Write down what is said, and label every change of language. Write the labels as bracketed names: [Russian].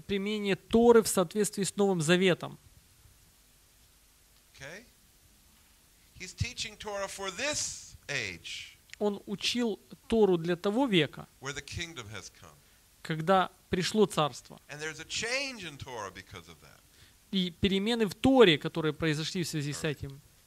[Russian] применение Торы в соответствии с Новым Заветом. [English] Окей? He's teaching Torah for this age. [Russian] Он учил Тору для того века, [English] where the kingdom has come. [Russian] Когда пришло царство. [English] And there's a change in Torah because of that. [Russian] И перемены в Торе, которые произошли в связи с этим.